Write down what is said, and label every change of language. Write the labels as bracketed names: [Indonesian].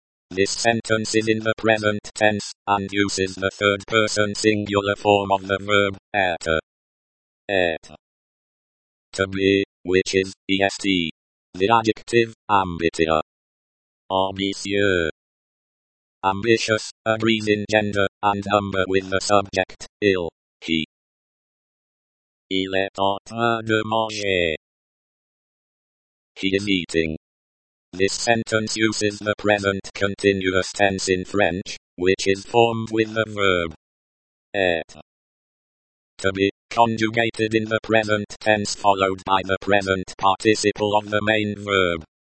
[English] This sentence is in the present tense, and uses the third person singular form of the verb, être. [French] Être. [English] To be, which is, est. The adjective, ambitieux. [French] Ambitieux. [English] Ambitious, agrees in gender and number with the subject, ill, he. [French] Il est en train de manger. [English] He is eating. This sentence uses the present continuous tense in French, which is formed with the verb [French] être. [English] To be, conjugated in the present tense followed by the present participle of the main verb.